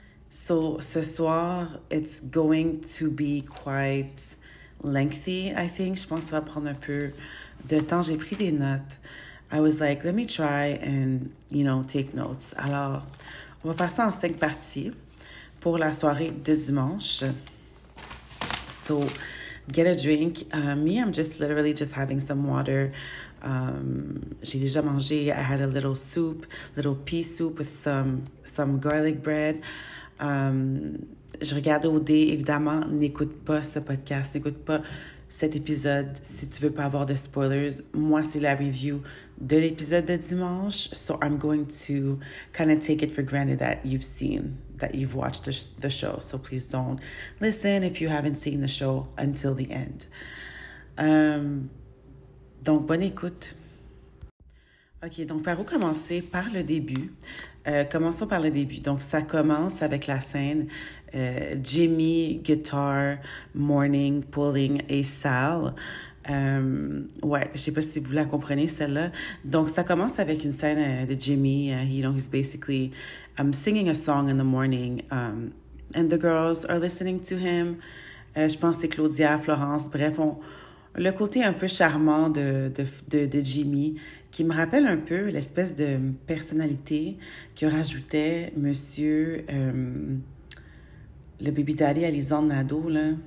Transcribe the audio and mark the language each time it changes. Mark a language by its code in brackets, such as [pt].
[en] So [fr] ce soir, [en] it's going to be quite lengthy, I think. [fr] Je pense que ça va prendre un peu de temps. J'ai pris des notes. [en] I was like, let me try and, take notes. [fr] Alors, on va faire ça en cinq parties pour la soirée de dimanche. [en] So, get a drink. Me, I'm just literally just having some water. [fr] J'ai déjà mangé. [en] I had a little soup, little pea soup with some garlic bread. [fr] Je regarde OD. Évidemment, n'écoute pas ce podcast, n'écoute pas cet épisode si tu veux pas avoir de spoilers. Moi, c'est la review de l'épisode de dimanche. [en] So I'm going to kind of take it for granted that you've seen, that you've watched the show. So please don't listen if you haven't seen the show until the end. [fr] Donc, bonne écoute. OK, donc par où commencer? Par le début. Commençons par le début. Donc, ça commence avec la scène Jimmy, [en] guitar, morning, pulling [fr] et Sal. Ouais, je sais pas si vous la comprenez celle-là. Donc, ça commence avec une scène de Jimmy. [en] He's basically singing a song in the morning and the girls are listening to him. [fr] Je pense que c'est Claudia, Florence, bref, le côté un peu charmant de Jimmy, qui me rappelle un peu l'espèce de personnalité que rajoutait monsieur le baby daddy à Lisande Nadeau, là.